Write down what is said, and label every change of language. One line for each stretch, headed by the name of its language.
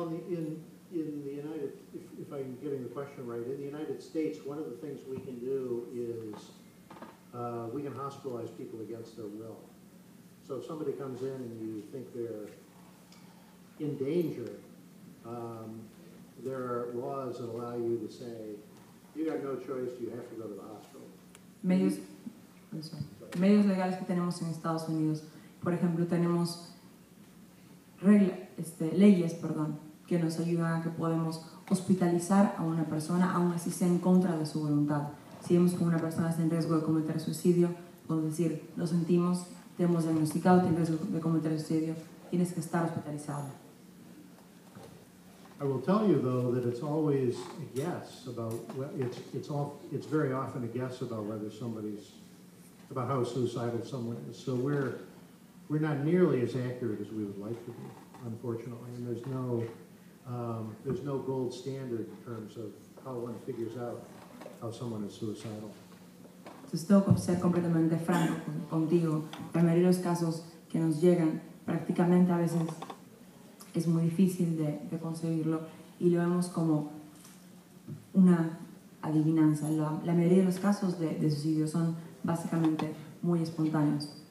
English: If I'm getting the question right, in the United States, one of the things we can do is we can hospitalize people against their will. So if somebody comes in and you think they're in danger, there are laws that allow you to say, you got no choice, you have to go to the hospital.
Spanish: Medios legales que tenemos en Estados Unidos, por ejemplo, tenemos leyes, perdón, que nos ayudan a que podemos hospitalizar a una persona, aun así sea en contra de su voluntad. Si vemos que una persona está en riesgo de cometer suicidio, podemos decir, lo sentimos, te hemos diagnosticado, tienes riesgo de cometer suicidio, tienes que estar hospitalizado.
English: I will tell you though that it's always a guess about it's very often a guess about whether somebody's about how suicidal someone is. So we're not nearly as accurate as we would like to be, unfortunately. And there's no gold standard in terms of how one figures out how someone is suicidal.
Spanish: Entonces tengo que ser completamente franco contigo. La mayoría de los casos que nos llegan prácticamente a veces es muy difícil de conseguirlo y lo vemos como una adivinanza. La mayoría de los casos de suicidio son básicamente muy espontáneos.